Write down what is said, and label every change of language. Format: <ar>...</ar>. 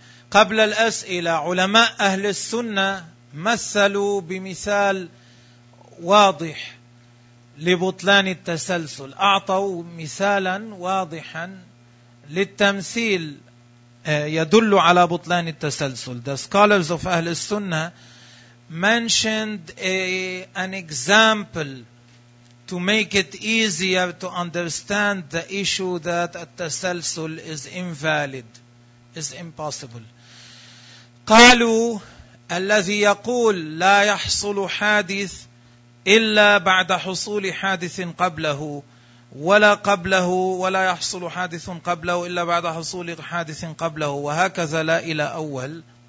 <ar>قبل الأسئلة, علماء أهل السنة مثلوا بمثال واضح لبطلان التسلسل. أعطوا مثالا واضحا للتمثيل يدل على بطلان التسلسل.</ar> <en>The scholars of أهل السنة mentioned an example to make it easier to understand the issue that التسلسل is invalid, is impossible.</en> <ar>قالوا الذي يقول لا يحصل حادث إلا بعد حصول حادث قبله ولا قبله ولا يحصل حادث قبله إلا بعد حصول حادث قبله وهكذا لا إلى أول.</ar>